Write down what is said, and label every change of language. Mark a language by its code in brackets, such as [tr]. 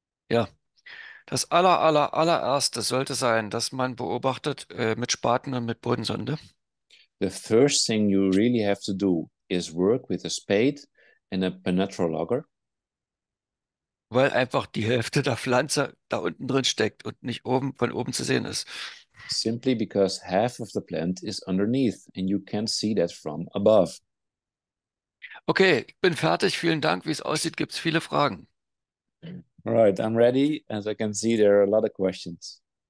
[de] Ja, das allererste sollte sein, dass man beobachtet mit Spaten und mit Bodensonde. [en] The first thing you really have to do is work with a spade and a penetral logger. [de] Weil einfach die Hälfte der Pflanze da unten drin steckt und nicht oben von oben zu sehen ist. [en] Simply because half of the plant is underneath and you can't see that from above. [de] Okay, ich bin fertig. Vielen Dank. Wie es aussieht, gibt es viele Fragen. [en] All right, I'm ready. As I can see, there are a lot of questions.